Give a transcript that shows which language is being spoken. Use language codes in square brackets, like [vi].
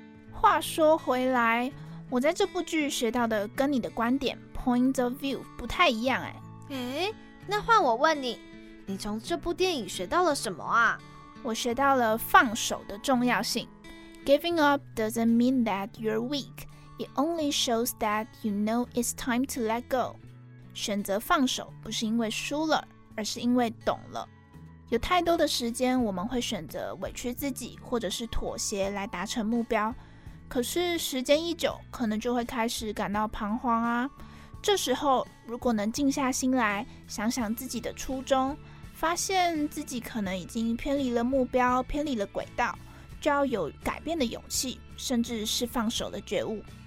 [zh] 话说回来，我在这部剧学到的跟你的观点 point of view 不太一样耶。那换我问你，你从这部电影学到了什么啊？我学到了放手的重要性。 [en] Giving up doesn't mean that you're weak. It only shows that you know it's time to let go. [zh] 选择放手不是因为输了，而是因为懂了。有太多的时间我们会选择委屈自己或者是妥协来达成目标，可是时间一久可能就会开始感到彷徨啊。这时候如果能静下心来想想自己的初衷，发现自己可能已经偏离了目标，偏离了轨道，就要有改变的勇气，甚至是放手的觉悟。